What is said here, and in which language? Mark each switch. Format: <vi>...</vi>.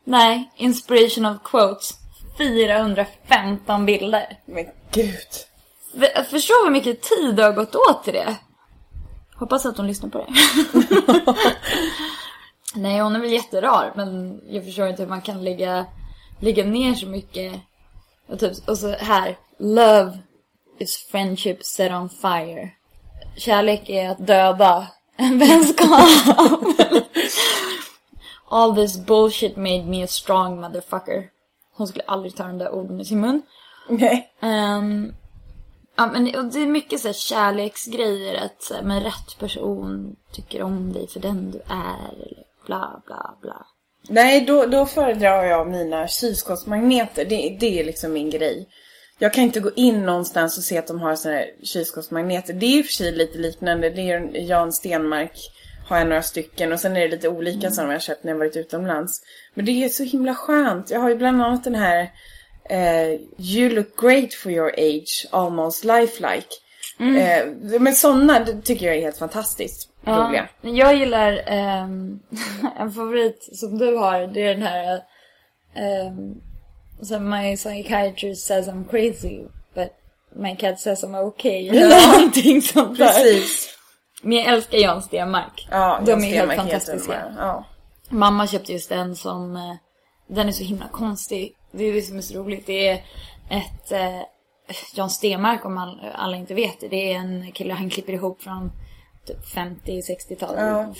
<sv>Nej,</sv> <en>inspirational quotes.</en> <sv>415 bilder. Men gud. Förstå hur mycket tid det har gått åt till det. Hoppas att hon lyssnar på det. Nej, hon är väl jätterar. Men jag förstår inte hur man kan ligga ner så mycket. Och, typ, och så här, love...</sv> <en>Is friendship set on fire?</en> <sv>Kärlek är att döda en vänskap.</sv> <en>All this bullshit made me a strong motherfucker.</en> <sv>Hon skulle aldrig ta den där orden i sin mun. Nej. Men det är mycket så här kärleksgrejer. Att så här, men rätt person tycker om dig för den du är. Eller bla bla bla. Nej, då föredrar jag mina kylskåpsmagneter. Det är liksom min grej. Jag kan inte gå in någonstans och se att de har sådana här kylskåpsmagneter. Det är ju för sig lite liknande. Det är Jan Stenmark, har jag några stycken. Och sen är det lite olika som jag har köpt när jag varit utomlands. Men det är så himla skönt. Jag har ju bland annat den här</sv> <en>You look great for your age, almost lifelike.</en> <sv>Mm. Men sådana tycker jag är helt fantastiskt. Ja, jag gillar en favorit som du har. Det är den här</sv> <en>So my psychiatrist says I'm crazy, but my cat says I'm okay.</en> <sv>Eller någonting sånt där. Precis. Men jag älskar Jan Stenmark. Ja, de Jan är helt fantastiska. Ja. Mamma köpte just den som... den är så himla konstig. Det är det som är så roligt. Det är ett... Jan Stenmark, om alla inte vet det. Det är en kille, han klipper ihop från typ 50-60-tal, ja.</sv>